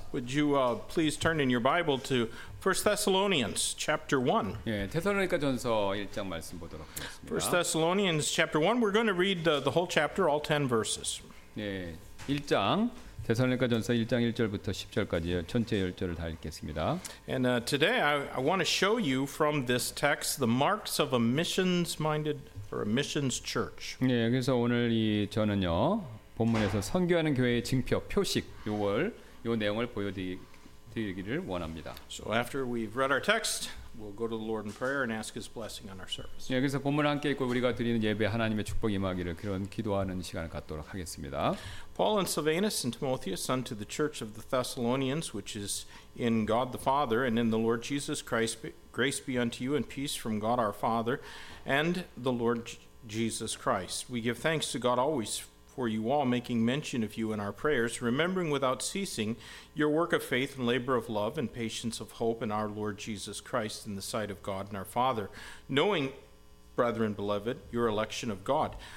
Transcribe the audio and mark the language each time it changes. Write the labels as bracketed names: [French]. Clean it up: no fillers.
[English] Would you please turn in your Bible to 1 Thessalonians chapter 1. [Korean] 예, 데살로니가 전서 1장 말씀 보도록 하겠습니다. [English] 1 Thessalonians chapter 1. We're going to read the whole chapter, all 10 verses. [Korean] 네, 1장 데살로니가 전서 1장 1절부터 10절까지 전체 10절을 다 읽겠습니다. [English] And today I want to show you from this text the marks of a missions-minded or a missions church. [Korean] 네, 그래서 오늘 이 저는요. 본문에서 선교하는 교회의 징표 표식 요걸 요 내용을 보여드리기를 원합니다. [English] So after we've read our text, we'll go to the Lord in prayer and ask His blessing on our service. [Korean] 예, 그래서 본문 함께 읽고 우리가 드리는 예배 하나님의 축복 임하기를 그런 기도하는 시간을 갖도록 하겠습니다. [English] Paul and Silvanus and Timotheus unto the church of the Thessalonians, which is in God the Father and in the Lord Jesus Christ, grace be unto you and peace from God our Father and the Lord Jesus Christ. We give thanks to God always. For you all, making mention of you in our prayers, remembering without ceasing your work of faith and labor of love and patience of hope in our Lord Jesus Christ in the sight of God and our Father, knowing, brethren beloved, your election of God.